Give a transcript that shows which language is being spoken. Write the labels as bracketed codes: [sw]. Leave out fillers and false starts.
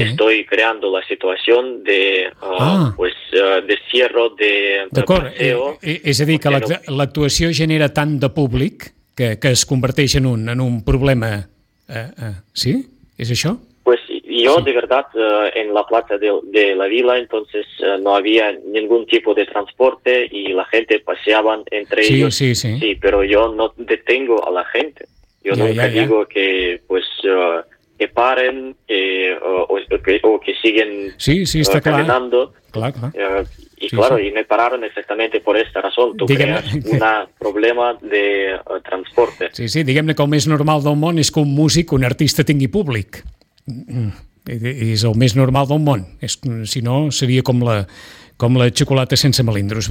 [es] Estoy creando la situación de de cierre de paseo. [ca] D'acord, és a dir, que l'actuació genera tant de públic que es converteix en un problema, sí? És això? [es] Pues yo sí. De verdad en la plaza de la Vila, entonces no había ningún tipo de transporte y la gente paseaban entre sí, ellos. Sí, sí, sí. Pero yo no detengo a la gente. Yo digo que paren que siguen caminando. Y me pararon exactamente por esta razón. Tú creas un problema de transporte. [ca] Sí, sí, diguem-ne que el més normal del món és que un músic, un artista tingui públic. És el més normal del món, si no seria com la xocolata sense melindros.